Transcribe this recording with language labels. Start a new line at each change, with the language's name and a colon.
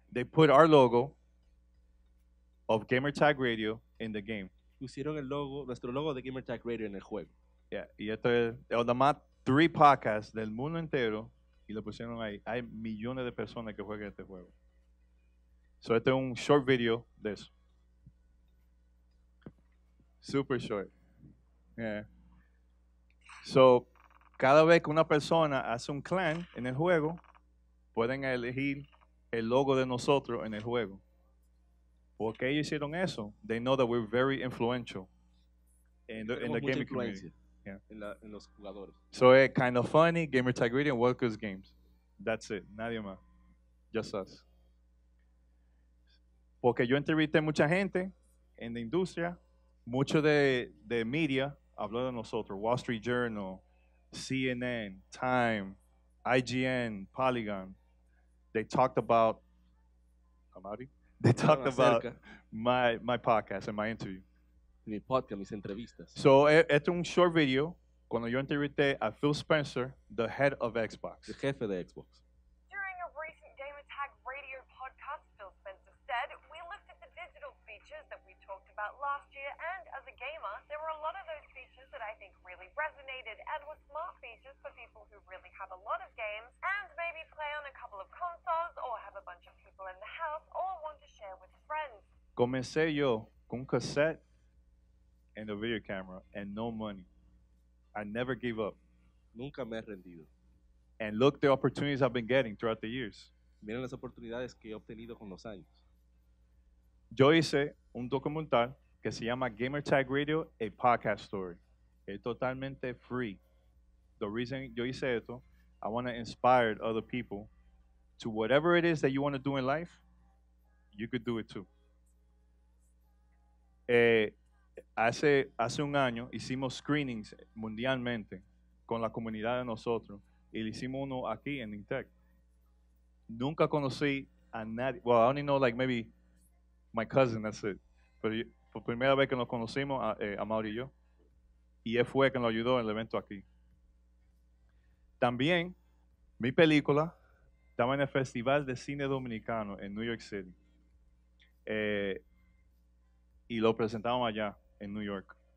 English: They put our logo of Gamer Tag Radio in the game.
Spanish: Pusieron el logo, nuestro logo de Gamer Tag Radio en el juego. Yeah, y esto es el más 3 podcasts del mundo entero y lo pusieron ahí. Hay millones de personas que juegan este juego. So este es un
English: short video
Spanish: de eso.
English: Super short. Yeah. So
Spanish: cada vez que una persona hace un clan en el juego, pueden elegir el logo de nosotros en el juego. ¿Por qué ellos hicieron eso?
English: They know that we're very influential in the gaming community.
Spanish: Yeah. En los jugadores.
English: So it's kind of funny, Gamer Tag Radio, Welcome Games. That's it,
Spanish: nadie más.
English: Just us.
Spanish: Porque yo entrevisté mucha gente en la industria, mucho de media habló de nosotros, Wall Street Journal, CNN, Time, IGN, Polygon.
English: They talked about my podcast and my interview.
Spanish: Mi podcast, mis entrevistas. So, este es un
English: short video
Spanish: cuando yo entrevisté a Phil Spencer,
English: the head of Xbox.
Spanish: El jefe de Xbox.
English: During a recent Gamer Tag Radio podcast, Phil Spencer said, "We looked at the digital features that we talked about last year, and as a gamer, there were a lot of those features that I think really resonated and were smart features for people who really have a lot of games and maybe play on a couple of consoles or have a bunch of people in the house or want to share with friends."
Spanish: Comencé yo con un cassette
English: and a video camera and no money. I never gave up.
Spanish: Nunca me he rendido.
English: And look the opportunities I've been getting throughout the years.
Spanish: Miren las oportunidades que he obtenido con los años. Yo hice un documental que se llama Gamer Tag Radio, a podcast story. Es totalmente free.
English: The reason
Spanish: yo hice esto,
English: I want to inspire other people to whatever it is that you want to do in life, you could do it too.
Spanish: Hace un año hicimos screenings mundialmente con la comunidad de nosotros y hicimos uno aquí en Intec. Nunca conocí a nadie.
English: Well, I only know like maybe my cousin, that's it.
Spanish: Pero por primera vez que nos conocimos, a Mauri y yo, y él fue quien nos ayudó en el evento aquí. También, mi película estaba en el Festival de Cine Dominicano en New York City. Y lo presentamos allá, en New York.